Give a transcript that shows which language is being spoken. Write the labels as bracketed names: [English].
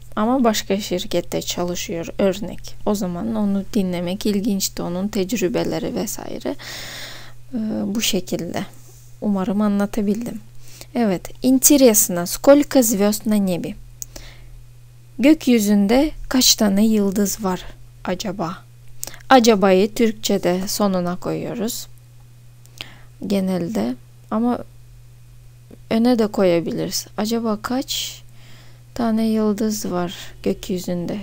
[Turkish] Ama başka şirkette çalışıyor örnek. O zaman onu dinlemek ilginçti. Onun tecrübeleri vesaire. Bu şekilde. Umarım anlatabildim. Evet. [Russian] Интересно, сколько звезд на небе? [Turkish] Gökyüzünde kaç tane yıldız var acaba? Acabayı Türkçe'de sonuna koyuyoruz genelde. Ama öne de koyabiliriz. Acaba kaç tane yıldız var gökyüzünde?